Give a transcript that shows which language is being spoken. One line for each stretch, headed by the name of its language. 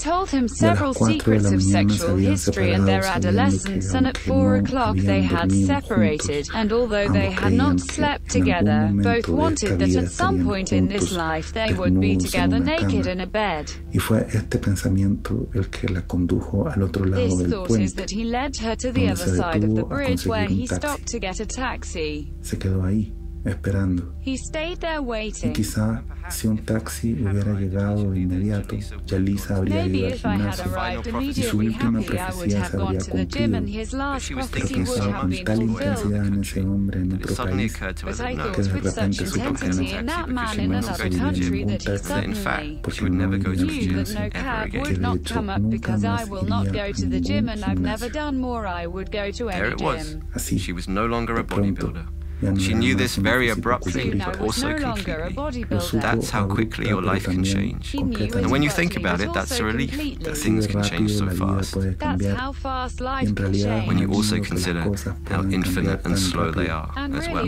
Spanish: Y a las 4 de la mañana se habían separado, sabiendo que aunque no habían dormido juntos, aunque creían que en algún momento de
English: that at some point in this life they would be together naked in a bed.
Spanish: Y fue este pensamiento el que la condujo al otro lado del puente.
English: That he led her to the other side of the bridge where he stopped to get a taxi.
Spanish: Se quedó ahí, esperando.
English: He stayed there waiting.
Spanish: Y quizá si un taxi hubiera llegado de inmediato, ya Lisa habría ido al gimnasio y su última profecía se habría cumplido. Pero pensaba con tal intensidad en ese hombre en otro país que de repente su pensamiento se convirtió en un taxi, porque no iba a ir al gimnasio, que de hecho nunca más iría a ningún gimnasio. Así, de pronto.
English: She knew this very abruptly, but also completely. That's how quickly your life can change. And when you think about it, that's a relief that things can change so fast. That's how fast life can change. When you also consider how infinite and slow they are as well.